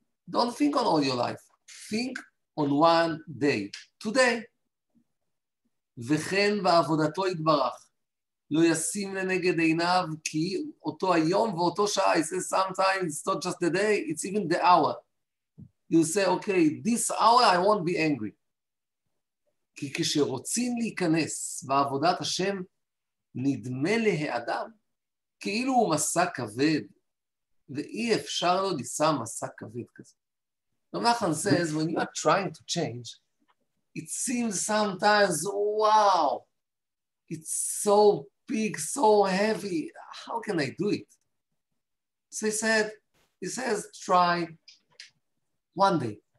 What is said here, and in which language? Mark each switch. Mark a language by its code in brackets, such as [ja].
[en] Don't think on all your life. Think on one day. Today. [he] וכן בעבודתו יתברך. לא ישים לנגד עיניו, כי אותו היום ואותו שעה, [en] he says, sometimes it's not just the day, it's even the hour. You say, okay, this hour I won't be angry. [he] כי כשרוצים להיכנס בעבודת השם, נדמה להאדם, כאילו הוא מסע כבד, ואי אפשר לו לשם מסע כבד כזה. [en] רב נחמן says, when you are trying to change, it seems sometimes, wow, it's so big, so heavy, how can I do it? So he says, try one day.